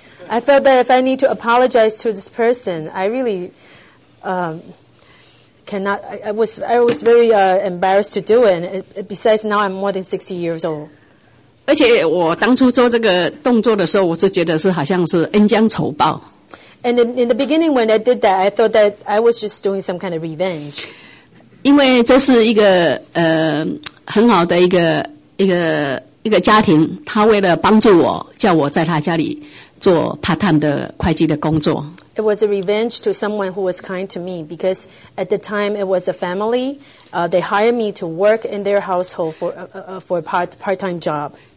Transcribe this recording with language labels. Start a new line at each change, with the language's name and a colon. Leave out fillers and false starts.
English: I felt that if I need to apologize to this person, I really cannot. I was very embarrassed to do it. And besides, now I'm more than 60 years old.
Chinese: 而且我当初做这个动作的时候，我是觉得是好像是恩将仇报。
English: And in the beginning when I did that, I thought that I was just doing some kind of revenge.
Chinese: 因为这是一个很好的一个家庭，他为了帮助我，叫我在他家里。做part-time的会计的工作。
English: It was a revenge to someone who was kind to me because at the time it was a family. They hired me to work in their household for a part-time job.